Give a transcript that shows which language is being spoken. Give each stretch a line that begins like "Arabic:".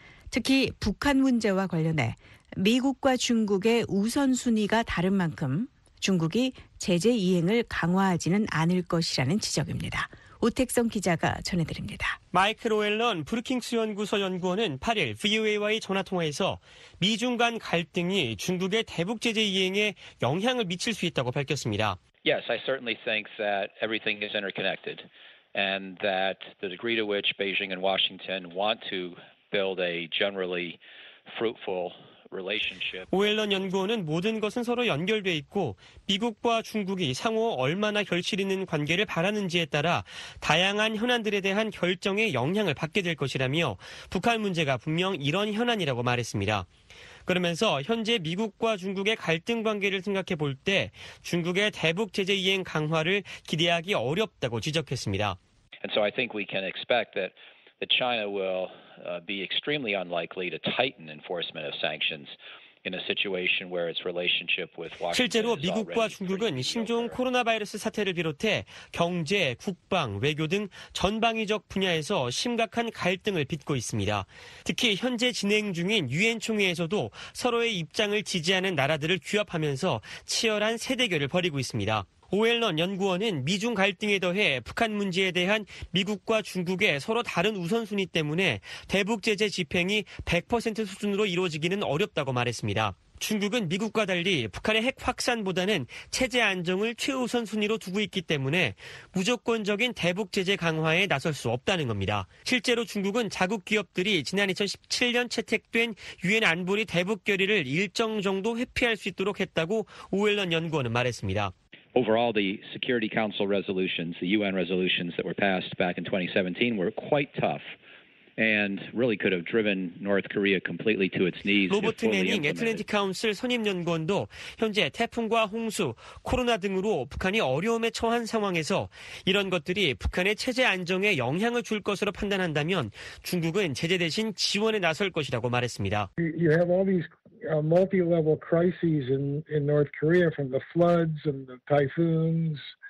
Korean: 특히 북한 문제와 관련해 미국과 중국의 우선순위가 다른 만큼 중국이 제재 이행을 강화하지는 않을 것이라는 지적입니다. 오택성 기자가 전해드립니다. 마이클 오웰런 브루킹스 연구소 연구원은 8일 VOA와의 전화통화에서 미중 간 갈등이 중국의 대북 제재 이행에 영향을 미칠 수 있다고 밝혔습니다.
English: Yes, I certainly think that everything is interconnected and that the degree to which Beijing and Washington want to build a generally fruitful
Korean: 오웰런 연구원은 모든 것은 서로 연결돼 있고 미국과 중국이 상호 얼마나 결실 있는 관계를 바라는지에 따라 다양한 현안들에 대한 결정에 영향을 받게 될 것이라며 북한 문제가 분명 이런 현안이라고 말했습니다. 그러면서 현재 미국과 중국의 갈등 관계를 생각해 볼 때 중국의 대북 제재 이행 강화를 기대하기 어렵다고 지적했습니다.
English: And so I think we can expect that China will be extremely unlikely to tighten enforcement of sanctions in a situation where its relationship with Washington.
Korean: 실제로 미국과 중국은 신종 코로나 바이러스 사태를 비롯해 경제, 국방, 외교 등 전방위적 분야에서 심각한 갈등을 빚고 있습니다. 특히 현재 진행 중인 유엔 총회에서도 서로의 입장을 지지하는 나라들을 규합하면서 치열한 세대결을 벌이고 있습니다. 오웰런 연구원은 미중 갈등에 더해 북한 문제에 대한 미국과 중국의 서로 다른 우선순위 때문에 대북 제재 집행이 100% 수준으로 이루어지기는 어렵다고 말했습니다. 중국은 미국과 달리 북한의 핵 확산보다는 체제 안정을 최우선순위로 두고 있기 때문에 무조건적인 대북 제재 강화에 나설 수 없다는 겁니다. 실제로 중국은 자국 기업들이 지난 2017년 채택된 유엔 안보리 대북 결의를 일정 정도 회피할 수 있도록 했다고 오웰런 연구원은 말했습니다.
English: Overall, the Security Council resolutions, the UN resolutions that were passed back in 2017 were quite tough and really could have driven North Korea completely to its knees.
Korean: 로버트 매닝 애틀랜틱 카운슬 선임 연구원도 현재 태풍과 홍수, 코로나 등으로 북한이 어려움에 처한 상황에서 이런 것들이 북한의 체제 안정에 영향을 줄 것으로 판단한다면 중국은 제재 대신 지원에 나설 것이라고 말했습니다.
English: You have all these multi-level crises in North Korea from the floods and the typhoons.